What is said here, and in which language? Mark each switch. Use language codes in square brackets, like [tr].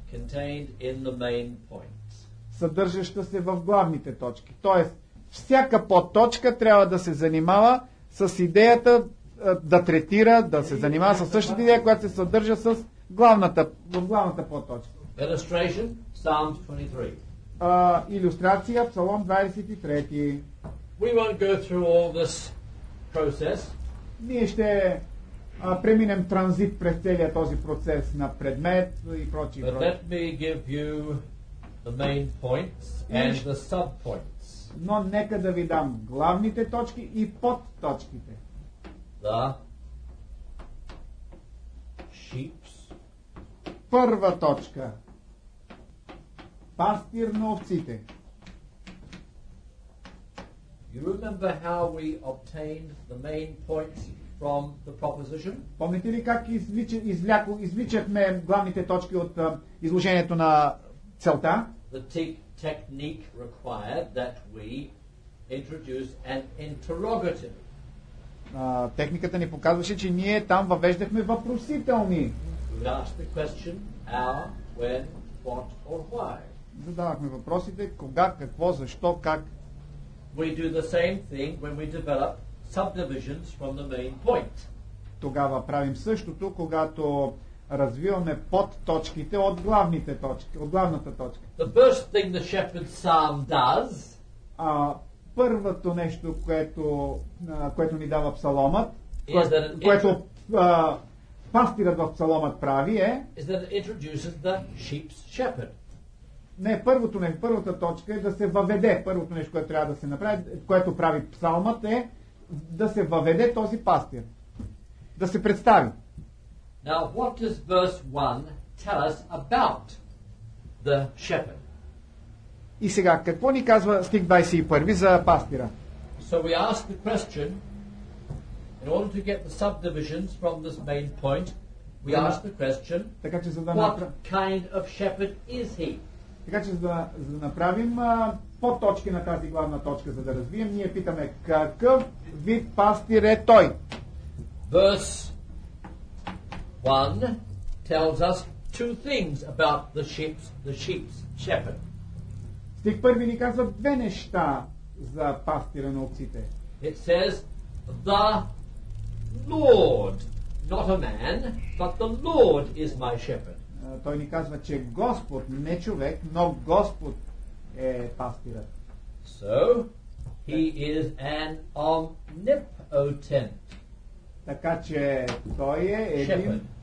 [en] contained in the main point, [bg] съдържаща се в главните точки. Тоест, всяка подточка трябва да се занимава с идеята да третира, да се занимава с същата идея, която се съдържа с главната подточка. [en] Illustration, Psalm 23. [bg] Илюстрация, Псалом 23. [en] We won't go through all this process. [bg] Ние ще преминем транзит през целия този процес на предмет и прочие. [en] But let me give you the main points and the subpoints. [bg] Но нека да ви дам главните точки и подточките. [en] The sheep. [bg] Първа точка. Пастир на овците. [en] You remember how we obtained the main points from the proposition? [bg] Помните ли как извличахме главните точки от изложението на целта? [en] The technique required that we introduce an interrogative. [bg] Техниката ни показваше, че ние там въвеждахме въпросителни. [en] We asked the question how, when, what or why. [bg] Задавахме въпросите кога, какво, защо, как. [en] We do the same thing when we develop subdivisions from the main point. [bg] Тогава правим същото, когато развиваме подточките от главните точки, от главната точка. [en] The first thing the shepherd psalm does, [bg] първото нещо, което ни дава псаломът, което пастирът в псаломът прави е, [en] is that it introduces the sheep's shepherd. [bg] Не, първото нещо, първата точка е да се въведе, първото нещо, което трябва да се направи, което прави псалмът е да се въведе този пастир. Да се представи. [en] Now what does verse 1 tell us about the shepherd? [bg] И сега какво ни казва стих 21 за пастира? [en] So we ask the question, in order to get the subdivisions from this main point, we ask the question, [bg] така че [en] what kind of shepherd is he? [bg] Така че за да направим по точки на тази главна точка, за да развием, ние питаме какъв вид пастир е той? [en] Verse 1 tells us two things about the sheep's shepherd. [bg] Стих 1 ни казва две неща за пастира на овците. [en] It says the Lord, not a man, but the Lord is my shepherd. [bg] Той ни казва, че Господ, не човек, но Господ е пастира. [en] So he is an omnipotent. [bg] Така че той е един shepherd.